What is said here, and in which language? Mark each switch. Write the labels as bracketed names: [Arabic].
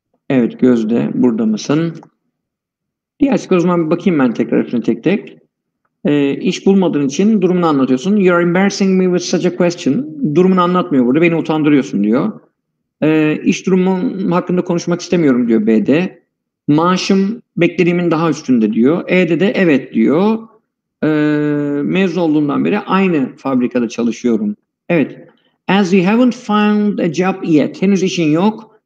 [Turkish] Evet, Gözde burada mısın? Diğer şık o zaman bir bakayım ben tekrar hepsini tek tek. İş bulmadığın için durumunu anlatıyorsun. [English] You are embarrassing me with such a question. [Turkish] Durumunu anlatmıyor burada. Beni utandırıyorsun diyor. İş durumum hakkında konuşmak istemiyorum diyor B'de. Maaşım beklediğimin daha üstünde diyor. E'de de evet diyor. Mezun olduğumdan beri aynı fabrikada çalışıyorum. Evet. [English] As you haven't found a job yet. [Turkish] Henüz işin yok.